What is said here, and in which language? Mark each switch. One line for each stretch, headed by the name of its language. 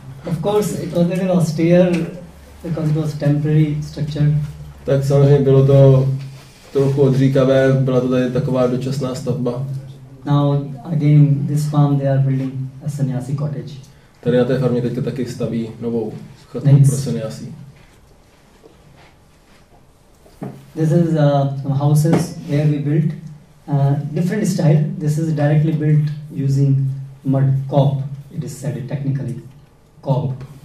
English: Of course, it was a little austere because it was temporary structure.
Czech: Tak samozřejmě bylo to trochu odříkavé, byla to tady taková dočasná stavba.
English: Now again this farm they are building a sannyasi cottage.
Czech: Tady na té farmě teď taky staví novou chatku pro sannyasi.
English: This is some houses where we built different style. This is directly built using mud cob. It is said technically cob.